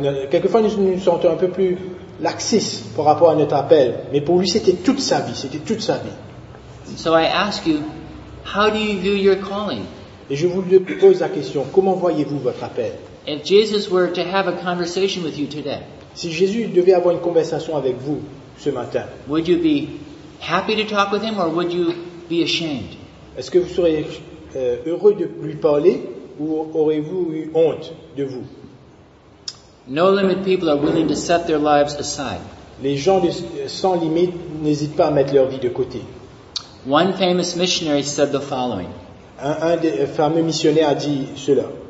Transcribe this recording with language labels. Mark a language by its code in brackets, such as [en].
[fr] Quelquefois nous nous sentons un peu plus laxistes par rapport à notre appel, mais pour lui c'était toute sa vie. [en] So I ask you, how do you view your calling? [fr] Et je vous pose la question, comment voyez-vous votre appel? [en] If Jesus were to have a conversation with you today, [fr] si Jésus devait avoir une conversation avec vous ce matin, [en] would you be happy to talk with him or would you be ashamed? [fr] Est-ce que vous seriez heureux de lui parler ou aurez-vous eu honte de vous? [en] No limit people are willing to set their lives aside. [fr] Les gens sans limite n'hésitent pas à mettre leur vie de côté. [en] One famous missionary said the following. [fr] Un des fameux missionnaires a dit cela.